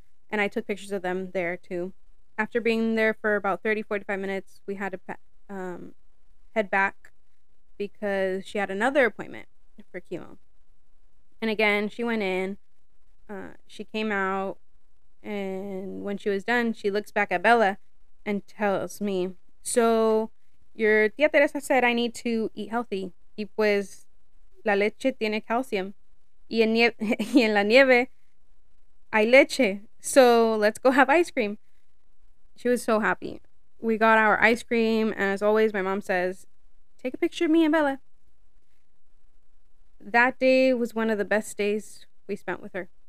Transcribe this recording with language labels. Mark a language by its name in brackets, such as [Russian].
[English] And I took pictures of them there too. After being there for about 30, 45 minutes, we had to head back because she had another appointment for chemo. And again, she went in, she came out, and when she was done, she looks back at Bella and tells me, "So your dietetista said I need to eat healthy. [Spanish] Y pues la leche tiene calcium. Y en la nieve hay leche. [English] So let's go have ice cream." She was so happy. We got our ice cream. As always, my mom says, "Take a picture of me and Bella." That day was one of the best days we spent with her.